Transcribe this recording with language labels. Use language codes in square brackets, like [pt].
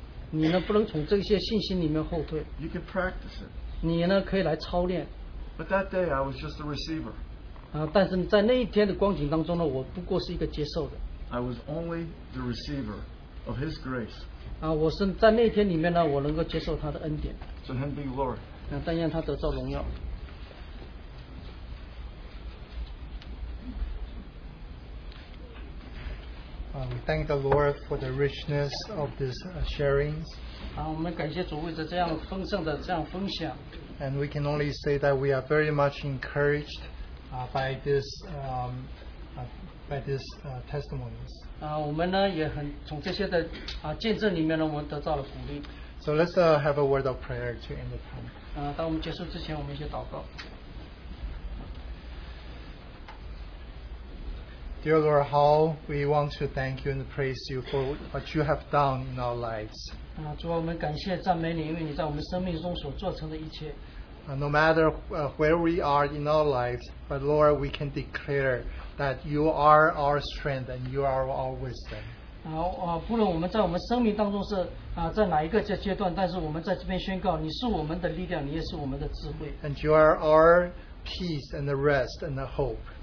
[zh] 你呢不能从这些信心里面后退。 [en] You can practice it. [zh] 你呢可以来操练。 [en] But that day I was just a receiver. [zh] 但是在那一天的光景当中呢，我不过是一个接受的。 [en] I was only the receiver of His grace. [zh] 我是在那一天里面呢，我能够接受他的恩典。 [en] So Him be glory. [zh] 但愿他得着荣耀。 [en] We thank the Lord for the richness of this sharings. [zh] 我们感谢主为着这样丰盛的这样分享。 [en] And we can only say that we are very much encouraged by this testimonies. [zh] 我们呢也很从这些的见证里面呢，我们得到了鼓励。 [en] So let's have a word of prayer to end the time. [zh] 当我们结束之前，我们一起祷告。 [en] Dear Lord, how we want to thank you and praise you for what you have done in our lives. No matter where we are in our lives, but Lord, we can declare that you are our strength and you are our wisdom. [zh] 不论我们在我们生命当中是在哪一个阶段，但是我们在这边宣告，你是我们的力量，你也是我们的智慧。 [en] And you are our peace and the rest and the hope.